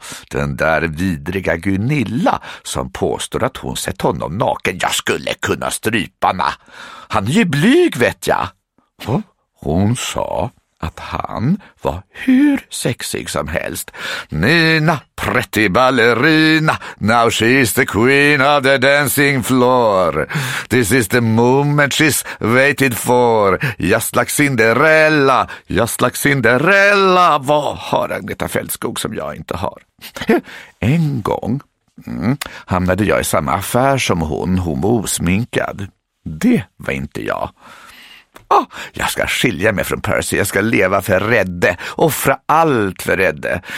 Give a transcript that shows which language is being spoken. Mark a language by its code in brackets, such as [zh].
[sv] Den där vidriga Gunilla som påstår att hon sett honom naken. Jag skulle kunna stryparna. Han är ju blyg, vet jag. Hon sa att han var hur sexig som helst. [en] Nina, pretty ballerina, now she's the queen of the dancing floor. This is the moment she's waited for. Just like Cinderella, just like Cinderella. [sv] Vad har Agneta Fältskog som jag inte har? En gång hamnade jag i samma affär som hon. Hon var osminkad. Det var inte jag. Jag ska skilja mig från Percy, jag ska leva för Rädde, offra allt för Rädde.